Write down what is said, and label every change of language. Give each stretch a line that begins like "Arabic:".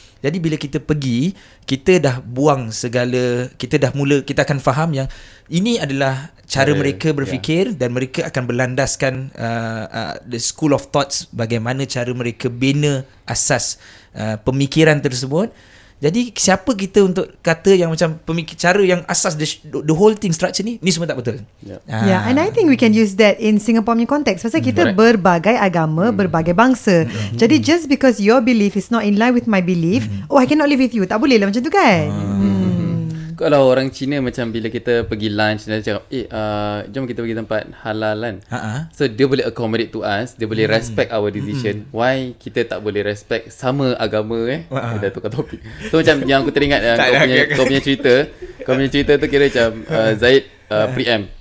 Malay: Jadi bila kita pergi, kita dah buang segala, kita dah mula, kita akan faham yang ini adalah cara mereka berfikir, dan mereka akan berlandaskan
English: the school of thoughts,
Malay: bagaimana cara mereka bina asas pemikiran tersebut. Jadi siapa kita untuk kata yang macam pemikir, cara yang asas
English: the whole thing structure
Malay: ni semua tak betul. Yeah.
English: Yeah, and I think we can use that in Singapore
Malay: punya context. Sebab kita berbagai agama, berbagai bangsa. Jadi
English: just because your belief is not in line with my belief, oh I cannot live with you.
Malay: Tak boleh lah macam tu kan. Kalau orang Cina macam bila kita pergi lunch, dia cakap, jom kita pergi tempat halal kan.
English: So dia boleh accommodate to us, dia boleh respect our decision.
Malay: Why kita tak boleh respect sama agama eh? Dah tukar topik. So macam yang aku teringat kau punya cerita tu kira macam Zahid pre-em.